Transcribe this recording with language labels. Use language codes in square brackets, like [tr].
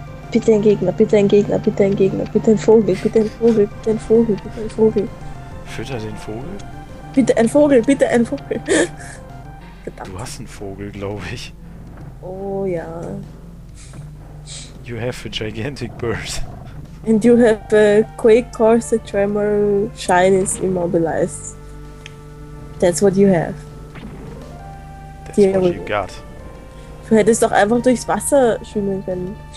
[de] Bitte ein Gegner, bitte ein Gegner, bitte ein Gegner, bitte ein Vogel, bitte ein Vogel, bitte ein Vogel, bitte ein Vogel. Fütter den Vogel? Bitte ein Vogel, bitte ein Vogel. Verdammt. Du hast einen Vogel, glaube ich. Oh ja. [en] You have a gigantic bird. And you have a quake, course, a tremor, shine is immobilized. That's what you have. That's what you got. [de] Du hättest doch einfach durchs Wasser schwimmen können.